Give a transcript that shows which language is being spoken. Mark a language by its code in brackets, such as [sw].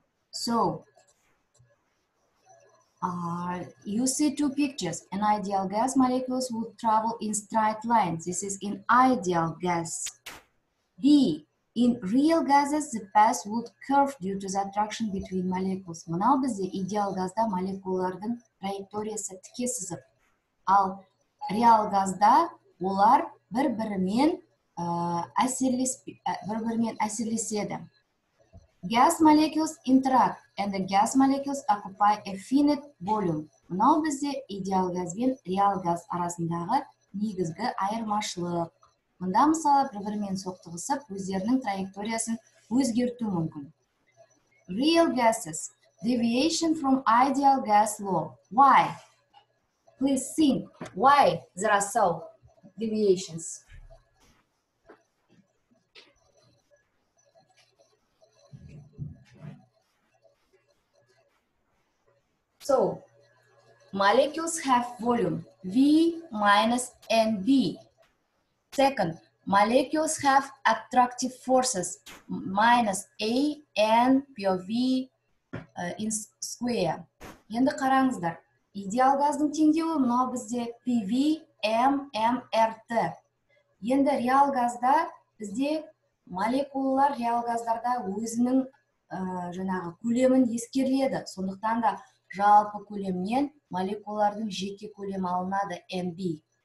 [en] So, you see two pictures. In ideal gas, molecules would travel in straight lines. This is in ideal gas. B, in real gases, the path would curve due to the attraction between molecules. [kk] Мынау бізде идеал газда молекулалардың траекториясы тіке сызып. Ал реал газда олар бір-бірімен әсерлеседі. [en] Gas molecules interact and the gas molecules occupy a finite volume. [kk] Мынау бізде идеал газ бен реал газ арасындағы негізгі айырмашылық. Мұнда мысалы бір-бірімен соқтығысып, өздерінің траекториясын өзгерту мүмкін. [en] Real gases, deviation from ideal gas law. Why? Please think, why there are so deviations? So, molecules have volume, V minus NV. Second, molecules have attractive forces, minus A, N, P of V in square. [kk] Енді қараңыздар, идеал газдың теңдеуі мұнау бізде PV, M, M, RT. Енді реал газда бізде молекулалар реал газдарда өзінің жаңағы көлемін ескерледі. Сондықтан да жалпы көлемнен молекулалардың жеке көлем алынады NV.